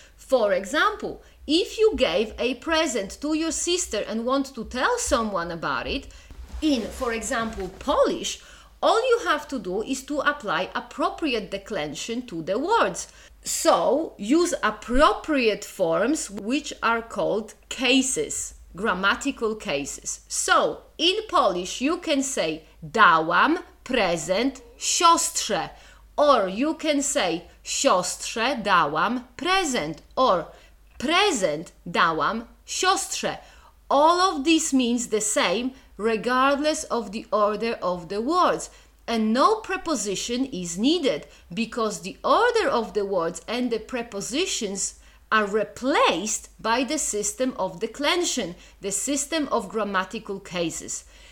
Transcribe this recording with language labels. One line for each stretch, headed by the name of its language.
English: For example, if you gave a present to your sister and want to tell someone about it, in, for example, Polish, all you have to do is to apply appropriate declension to the words. So, use appropriate forms, which are called cases, grammatical cases. So, in Polish, you can say
Polish: dałam prezent siostrze,
English: or you can say
Polish: siostrze dałam prezent,
English: or
Polish: prezent dałam siostrze.
English: All of this means the same, regardless of the order of the words. And no preposition is needed, because the order of the words and the prepositions are replaced by the system of declension, the system of grammatical cases.